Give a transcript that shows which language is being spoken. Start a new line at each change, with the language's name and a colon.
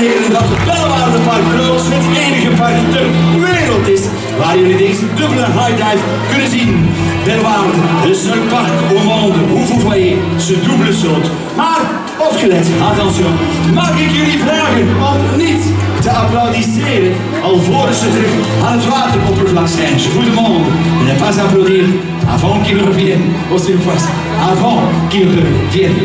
Dutch: Dat het Bellewaerdepark Vleugels het enige park ter wereld is waar jullie deze dubbele high dive kunnen zien.
French: Bellewaerde
Dutch: is een park
French: au monde, où vous voyez ce double saut.
Dutch: Maar opgelet, attention, mag ik jullie vragen om niet te applaudisseren alvorens ze terug aan het wateroppervlak zijn.
French: Je vous demande ne pas applaudir avant qu'il revienne, au surface, avant qu'il revienne.